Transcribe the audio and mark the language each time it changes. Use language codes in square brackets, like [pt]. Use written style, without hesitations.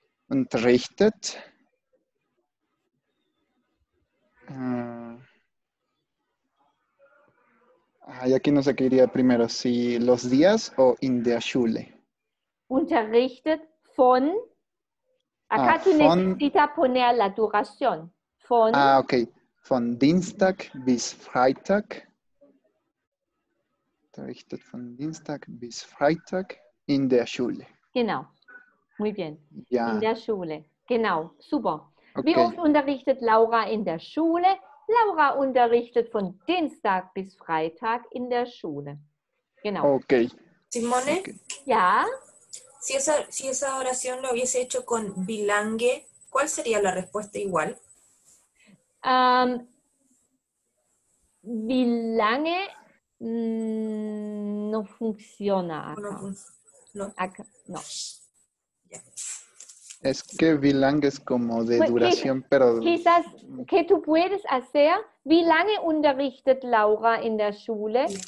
[es] Unterrichtet aquí no sé qué iría primero, si los días o [de] in der Schule. [es] Unterrichtet von acá tú necesitas poner la duración. Von. Ah, ok. [de] Von Dienstag bis Freitag. Unterrichtet von Dienstag bis Freitag in der Schule. [es] Genau. Muy bien. [de] Ja. In der Schule. Genau. Super. Okay. Wie oft unterrichtet Laura in der Schule? Laura unterrichtet von Dienstag bis Freitag in der Schule. Genau. Okay. Simone? Okay. Ja? [es] Si esa oración lo hubiese hecho con bilangue, ¿cuál sería la respuesta igual? Bilangue no funciona acá. No. Acá, no. Es que bilangue es como de duración, pero... Quizás, ¿qué tú puedes hacer? [de] ¿Bilangue unterrichtet Laura in der Schule?